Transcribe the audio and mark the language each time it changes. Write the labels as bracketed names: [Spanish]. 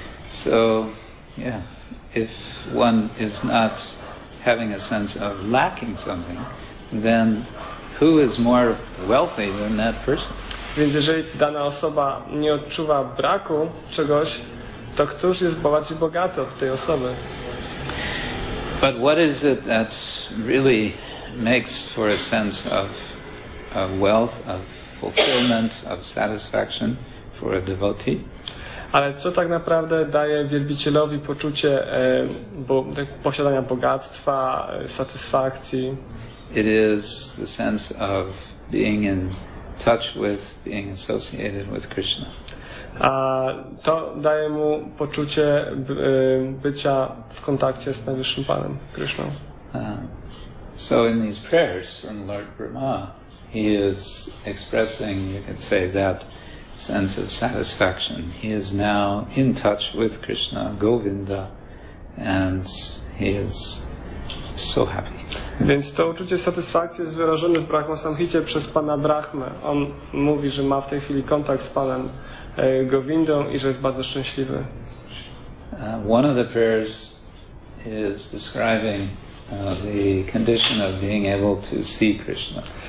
[English] So, yeah, if one is not having a sense of lacking something, then who is more wealthy than that person? [Polish] Więc jeżeli dana osoba nie odczuwa braku czegoś, to któż jest bardziej bogaty od tej osoby? [English] But what is it that really makes for a sense of wealth, of fulfillment, of satisfaction for a devotee? [Polish] Ale co tak naprawdę daje wielbicielowi poczucie posiadania bogactwa, satysfakcji? [English] It is the sense of being in touch with, being associated with Krishna. [Polish] A to daje mu poczucie bycia w kontakcie z Najwyższym Panem, Krishna. [English] So in these prayers from Lord Brahma, he is expressing, you could say, that sense of satisfaction. He is now in touch with Krishna, Govinda, and he is so happy. [Polish] Więc to uczucie satysfakcji jest wyrażone w Brahma Samhicie przez Pana Brahmę. On mówi, że ma w tej chwili kontakt z Panem Govindą i że jest bardzo szczęśliwy. [English] One of the prayers is describing the condition of being able to see Krishna.